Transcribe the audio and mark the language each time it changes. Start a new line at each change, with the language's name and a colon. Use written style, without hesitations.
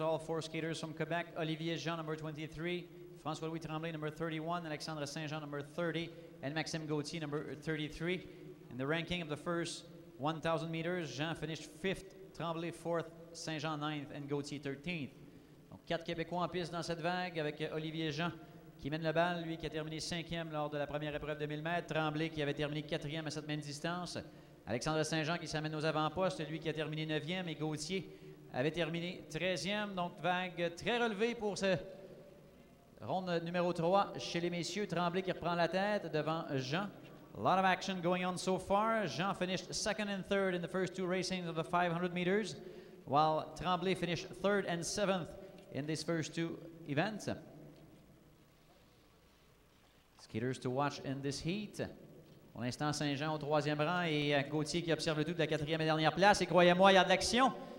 English: All four skaters from Quebec. Olivier Jean, number 23. François-Louis Tremblay, number 31. Alexandre Saint-Jean, number 30. And Maxime Gauthier, number 33. In the ranking of the first 1,000 meters, Jean finished fifth, Tremblay fourth, Saint-Jean ninth, and Gauthier 13th.
French: Donc, quatre Québécois en piste dans cette vague avec Olivier Jean qui mène le bal, lui qui a terminé cinquième lors de la première épreuve de 1000 mètres. Tremblay qui avait terminé quatrième à cette même distance. Alexandre Saint-Jean qui s'amène aux avant-postes, lui qui a terminé 9e, et Gauthier avait terminé 13e. Donc, vague très relevée pour ce ronde numéro 3 chez les messieurs. Tremblay qui reprend la tête devant Jean.
English: A lot of action going on so far. Jean finished second and third in the first two racings of the 500 meters, while Tremblay finished third and seventh in these first two events. Skaters to watch in this heat.
French: Pour l'instant, Saint-Jean au troisième rang et Gauthier qui observe le tout de la quatrième et dernière place. Et croyez-moi, il y a de l'action.